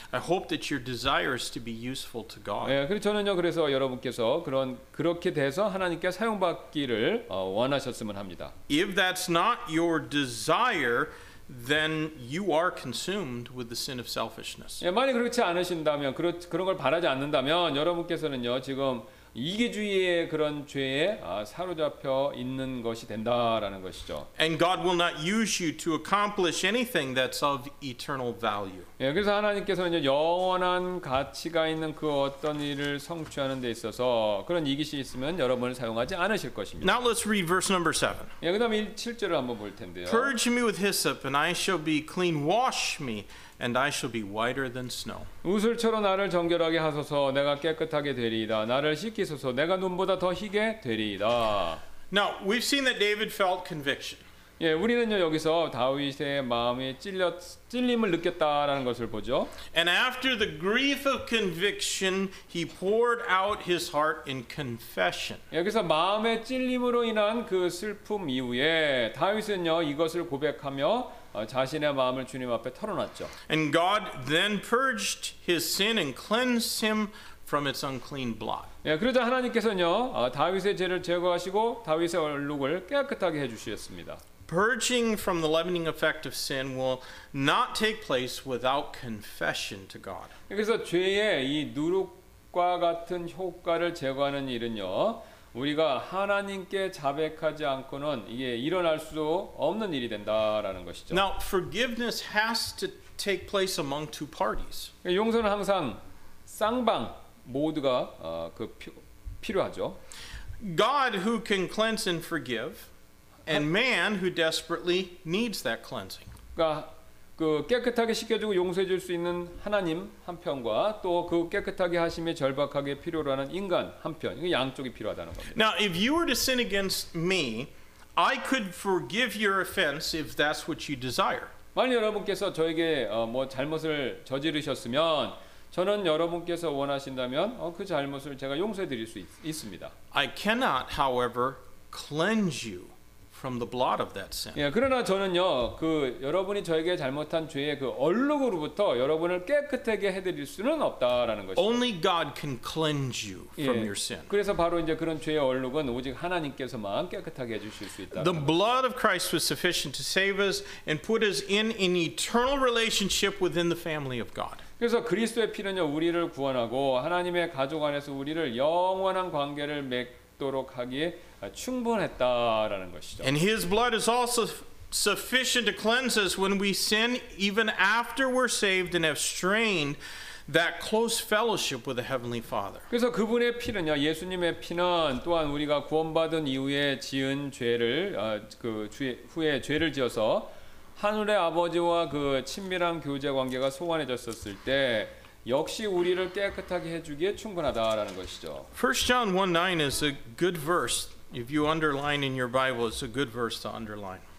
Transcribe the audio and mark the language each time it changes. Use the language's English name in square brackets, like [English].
[English] I hope that your desire is to be useful to God. [Korean] 예, 그리고 저는요 그래서 여러분께서 그런 그렇게 돼서 하나님께 사용받기를 원하셨으면 합니다. [English] If that's not your desire, then you are consumed with the sin of selfishness. [Korean] 예, 만약 그렇지 않으신다면 그런 걸 바라지 않는다면 여러분께서는요 지금 이기주의의 그런 죄에 사로잡혀 있는 것이 된다라는 것이죠. [English] And God will not use you to accomplish anything that's of eternal value. [Korean] 예, 그래서 하나님께서는 영원한 가치가 있는 그 어떤 일을 성취하는 데 있어서 그런 이기시 있으면 여러분을 사용하지 않으실 것입니다. [English] Now let's read verse number 7. [Korean] 예, 그다음 7절을 한번 볼 텐데요. [English] Purge me with hyssop and I shall be clean. Wash me and I shall be whiter than snow. [Korean] 우슬처럼 나를 정결하게 하소서 내가 깨끗하게 되리이다. 나를 씻기소서 내가 눈보다 더 희게 되리이다. [English] Now, we've seen that David felt conviction. [Korean] 예, 우리는요 여기서 다윗의 마음이 찔림을 느꼈다라는 것을 보죠. [English] And after the grief of conviction, he poured out his heart in confession. [Korean] 여기서 마음의 찔림으로 인한 그 슬픔 이후에 다윗은요 이것을 고백하며 자신의 마음을 주님 앞에 털어놨죠. [English] And God then purged his sin and cleansed him from its unclean blot. [Korean] 예, 그러자 하나님께서는요 다윗의 죄를 제거하시고 다윗의 얼룩을 깨끗하게 해주셨습니다. [English] Purging from the leavening effect of sin will not take place without confession to God. [Korean] 그래서 죄의 이 누룩과 같은 효과를 제거하는 일은요 우리가 하나님께 자백하지 않고는 이게 일어날 수 없는 일이 된다라는 것이죠. [English] Now forgiveness has to take place among two parties. [Korean] 용서는 항상 쌍방 모두가 필요하죠. [English] God who can cleanse and forgive and man who desperately needs that cleansing. [Korean] 그러니까 그 깨끗하게 씻겨주고 용서해 줄 수 있는 하나님 한편과 또 그 깨끗하게 하심에 절박하게 필요로 하는 인간 한편 이 양쪽이 필요하다는 겁니다. [English] Now if you were to sin against me, I could forgive your offense if that's what you desire. [Korean] 만약 여러분께서 저에게 뭐 잘못을 저지르셨으면 저는 여러분께서 원하신다면 그 잘못을 제가 용서해 드릴 수 있습니다. [English] I cannot, however, cleanse you from the blot of that sin. [Korean] 예, 그러나 저는요, 그 여러분이 저에게 잘못한 죄의 그 얼룩으로부터 여러분을 깨끗하게 해드릴 수는 없다라는 것이죠. [English] Only God can cleanse you from your sin. [Korean] 그래서 바로 이제 그런 죄의 얼룩은 오직 하나님께서만 깨끗하게 해주실 수 있다. [English] The blood of Christ was sufficient to save us and put us in an eternal relationship within the family of God. [Korean] 그래서 그리스도의 피는요, 우리를 구원하고 하나님의 가족 안에서 우리를 영원한 관계를 맺도록 하기에 충분했다라는 것이죠. [English] And his blood is also sufficient to cleanse us when we sin even after we're saved and have strained that close fellowship with the heavenly father. [Korean] 그래서 그분의 피는요, 예수님의 피는 또한 우리가 구원받은 이후에 지은 죄를 후에 죄를 지어서 하늘의 아버지와 그 친밀한 교제 관계가 소원해졌었을 때 역시 우리를 깨끗하게 해 주기에 충분하다라는 것이죠. [English] 1 John 1:9 is a good verse. If you underline in your Bible, it's a good verse to underline.